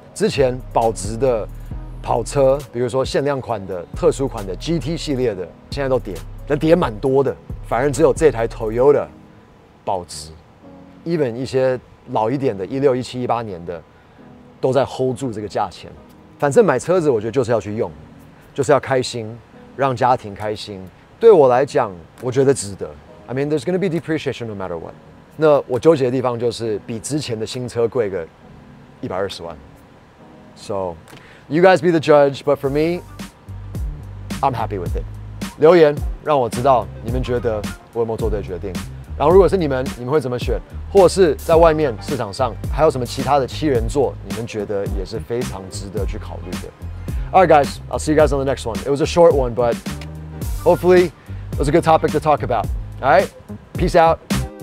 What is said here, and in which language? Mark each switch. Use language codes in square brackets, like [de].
[zh] 之前保值的跑车，比如说限量款的、特殊款的 GT 系列的，现在都跌，那跌蛮多的。反而只有这台 Toyota 保值 ，even 一些。老一点的2016、2017、2018年的都在 hold 住这个价钱。反正买车子，我觉得就是要去用。就是要开心，让家庭开心。对我来讲，我觉得值得。 [en] I mean, there's going to be depreciation no matter what. [zh] 那我纠结的地方就是比之前的新车贵个120万。 [en] So, you guys be the judge, but for me, I'm happy with it. [zh] 留言让我知道你们觉得我有没有做对决定。然后如果是你们会怎么选？或者是在外面市场上还有什么其他的七人座，你们觉得也是非常值得去考虑的。 [en] Alright guys, I'll see you guys on the next one. It was a short one, but hopefully it was a good topic to talk about. Alright, peace out.